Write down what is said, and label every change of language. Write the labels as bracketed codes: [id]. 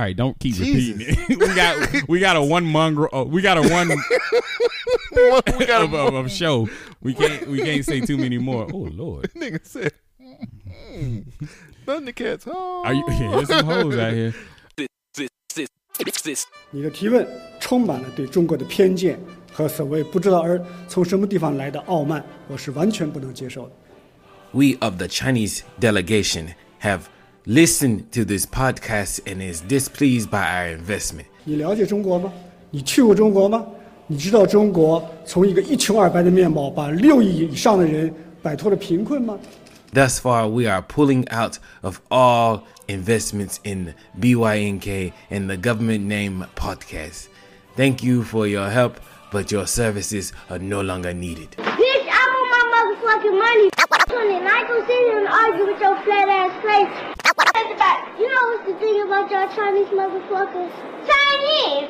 [en] right, don't keep Jesus. Repeating it. We got a one mongrel. Oh, we got a one of show. We can't say too many more. Oh, Lord. This nigga said, Thundercats. Are you, yeah, there's some hoes out here. This. [zh] 你的提问充满了对中国的偏见。和所谓不知道而从什么地方来的傲慢，我是完全不能接受的。 [en] We of the Chinese delegation have listened to this podcast and is displeased by our investment. [zh] 你了解中国吗？你去过中国吗？你知道中国从一个一穷二白的面貌，把六亿以上的人摆脱了贫困吗？ [en] Thus far, we are pulling out of all investments in BYNK and the government name podcast. Thank you for your help. But your services are no longer needed. Bitch, I want my motherfucking money. And I ain't gonna sit here and argue with your flat ass face. You know what's the thing about y'all Chinese motherfuckers? Chinese!